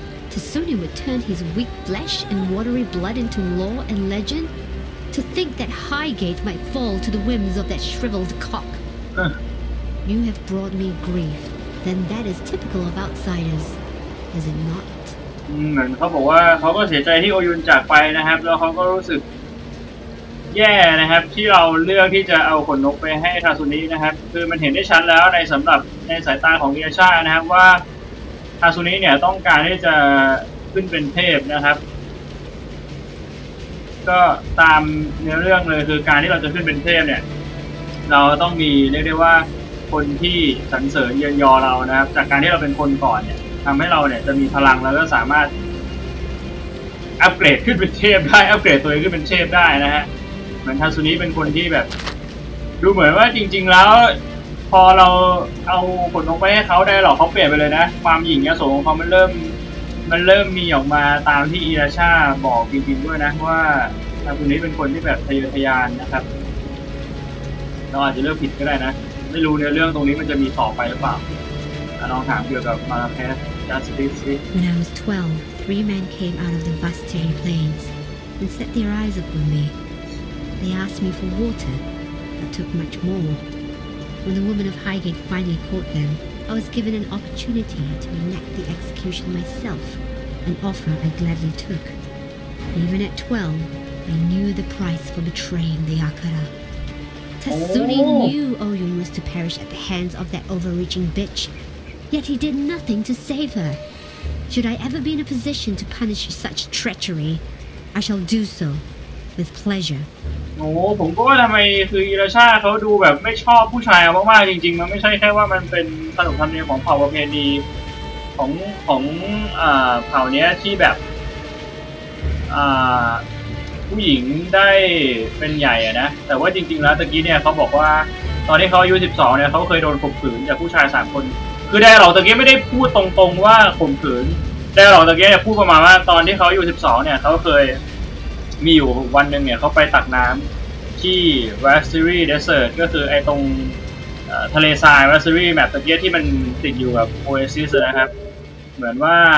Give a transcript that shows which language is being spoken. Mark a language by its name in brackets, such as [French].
[English] Tatsuni would turn his weak flesh and watery blood into lore and legend? To think that Highgate might fall to the whims of that shriveled cock. You have brought me grief. Then that is typical of outsiders, is it not? [Thai] เหมือนเขาบอกว่าเขาก็เสียใจที่โอยุนจากไปนะครับแล้วเขาก็รู้สึกแย่นะครับที่เราเลือกที่จะเอาขนนกไปให้ทาสุนินะครับคือมันเห็นได้ชัดแล้วในสำหรับในสายตาของเรียชานะครับว่าทาสุนิเนี่ยต้องการที่จะขึ้นเป็นเทพนะครับ ก็ตามเนื้อเรื่องเลยคือการที่เราจะขึ้นเป็นเทพเนี่ยเราต้องมีเรียกได้ว่าคนที่สรรเสริญเยือนยอเรานะครับจากการที่เราเป็นคนก่อนเนี่ยทำให้เราเนี่ยจะมีพลังแล้วก็สามารถ อัปเกรดขึ้นเป็นเทพได้อัปเกรดตัวเองขึ้นเป็นเทพได้นะฮะมันทาสุนิเป็นคนที่แบบดูเหมือนว่าจริงๆแล้วพอเราเอาผลลงไปให้เขาได้หรอกเขาเปลี่ยนไปเลยนะความหยิ่งยโสของเขามันเริ่มมีออกมาตามที่อิราชาบอกจริงๆด้วยนะว่าทาสุนิเป็นคนที่แบบทะเยอทะยานนะครับเราอาจจะเลือกผิดก็ได้นะไม่รู้ในเรื่องตรงนี้มันจะมีต่อไปหรือเปล่าลองถามเกี่ยวกับมาราแคสจัสติสซิ [English] When I was 12 three men came out of the Vastiri plains and set their eyes upon me they asked me for water that took much more when the woman of Highgate finally caught them I was given an opportunity to enact the execution myself an offer I gladly took even at 12 I knew the price for betraying the Akara Tatsuni knew Oyun was to perish at the hands of that overreaching bitch, yet he did nothing to save her. Should I ever be in a position to punish such treachery, I shall do so with pleasure. [Thai] โอ้ผมก็ทำไมคืออิราชาเขาดูแบบไม่ชอบผู้ชายมากๆจริงๆมันไม่ใช่แค่ว่ามันเป็นขนบธรรมเนียมของเผ่าประเพณีของเผ่านี้ที่แบบ ผู้หญิงได้เป็นใหญ่อะนะแต่ว่าจริงๆแล้วตะกี้เนี่ยเขาบอกว่าตอนที่เขาอายุ12เนี่ยเขาเคยโดนข่มขืนจากผู้ชาย3คนคือแดร์หลอกตะกี้ไม่ได้พูดตรงๆว่าข่มขืนแดร์หลอกตะกี้เนี่ยพูดประมาณว่าตอนที่เขาอายุ12เนี่ยเขาเคยมีอยู่วันหนึ่งเนี่ยเขาไปตักน้ำที่ Vastiri Desert ก็คือไอ้ตรงทะเลทราย Vastiri แมปตะกี้ที่มันติดอยู่กับโอเอซิสนะครับเหมือนว่า